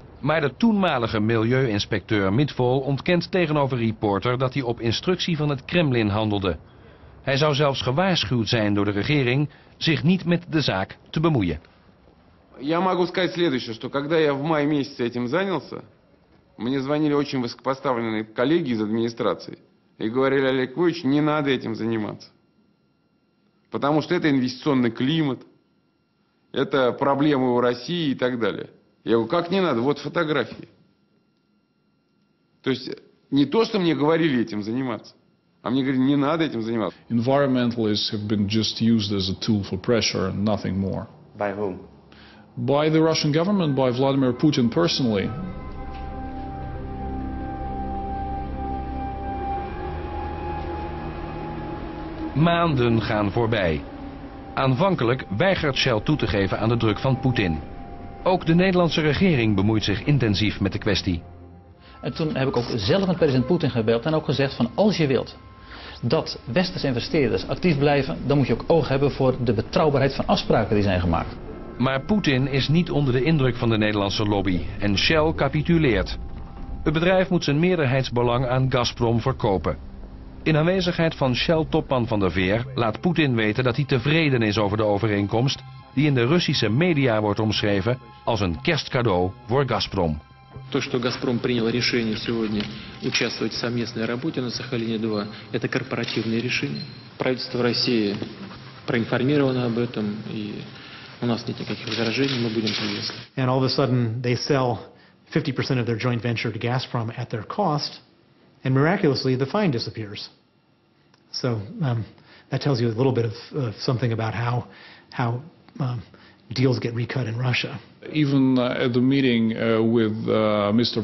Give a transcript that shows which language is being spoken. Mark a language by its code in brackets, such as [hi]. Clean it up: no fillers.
[nl] Maar de toenmalige milieuinspecteur Mitvol ontkent tegenover reporter dat hij op instructie van het Kremlin handelde. Hij zou zelfs gewaarschuwd zijn door de regering zich niet met de zaak te bemoeien. [ru] Я могу сказать следующее, что когда я в мае месяце этим занялся, мне звонили очень высокопоставленные коллеги из администрации и говорили: Олег Вович, не надо этим заниматься. Потому что это инвестиционный климат, это проблемы у России и так далее. Я говорю, как не надо, вот фотографии. То есть не то, что мне говорили этим заниматься, а мне говорили, не надо этим заниматься. [en] Environmentalists have been just used as a tool for pressure and nothing more. By whom? By the Russian government, by Vladimir Putin personally. [nl] Maanden gaan voorbij. Aanvankelijk weigert Shell toe te geven aan de druk van Poetin. Ook de Nederlandse regering bemoeit zich intensief met de kwestie. En toen heb ik ook zelf met president Poetin gebeld en ook gezegd van als je wilt dat westerse investeerders actief blijven, dan moet je ook oog hebben voor de betrouwbaarheid van afspraken die zijn gemaakt. Maar Poetin is niet onder de indruk van de Nederlandse lobby en Shell capituleert. Het bedrijf moet zijn meerderheidsbelang aan Gazprom verkopen. In aanwezigheid van Shell-topman Van der Veer laat Poetin weten dat hij tevreden is over de overeenkomst die in de Russische media wordt omschreven als een kerstcadeau voor Gazprom. [ru] То, что Газпром принял решение сегодня участвовать в совместной работе на Сахалине 2, это корпоративное решение. Правительство России проинформировано об этом, и у нас нет никаких возражений, мы будем приветствовать. [en] And all of a sudden they sell 50% of their joint venture to Gazprom at their cost, and miraculously the fine disappears. So that tells you a little bit of something about how deals get recut in Russia. Even at the meeting with Mr.